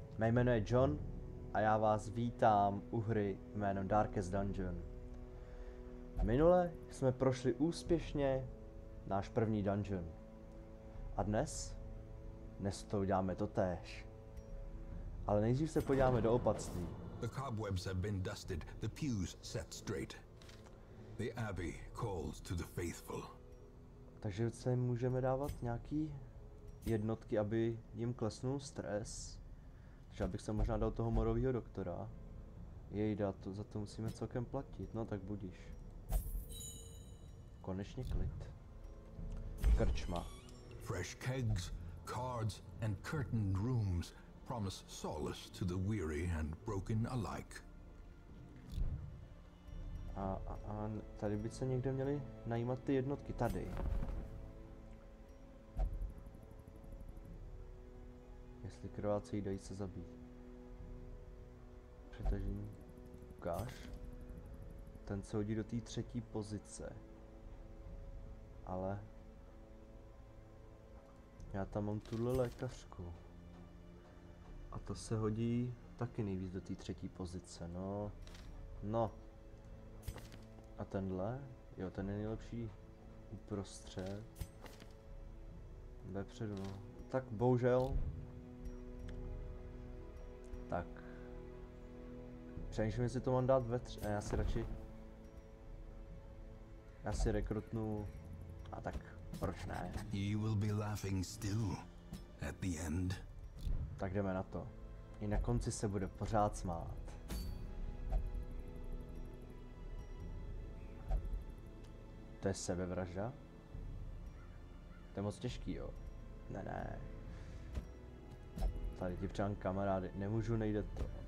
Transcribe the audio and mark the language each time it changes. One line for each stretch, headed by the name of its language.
Czech: Mé jméno je John a já vás vítám u hry jménem Darkest Dungeon. Minule jsme prošli úspěšně náš první dungeon. A dnes to uděláme totéž. Ale nejdřív se podíváme do opatství.
English: The cobwebs have been dusted, the pews set straight. The abbey calls to the faithful.
Czech: Takže se můžeme dávat nějaký jednotky, aby jim klesnul stres. Takže abych se možná dal toho morovýho doktora. Jejda, to, za to musíme celkem platit, no tak budiš. Konečně klid. Krčma.
English: Fresh kegs, cards and curtained rooms promise solace to the weary and broken alike.
Czech: A tady by se někde měli najímat ty jednotky, tady. Jestli krvácejí, dají se zabít. Přetažení. Ukáž. Ten se hodí do té třetí pozice. Ale... já tam mám tuhle lékařku. A to se hodí taky nejvíc do té třetí pozice, no. No. A tenhle? Jo, ten je nejlepší uprostřed. Vepředu, no. Tak bohužel. Tak. Přemýšlím, jestli to mám dát ve tře... A já si rekrutnu... A tak, proč ne?
English: You will be laughing still at the end.
Czech: Tak jdeme na to. I na konci se bude pořád smát. To je sebevražda? To je moc těžký, jo? Ne, ne. Tady ti přijám kamarády, nemůžu, nejde to.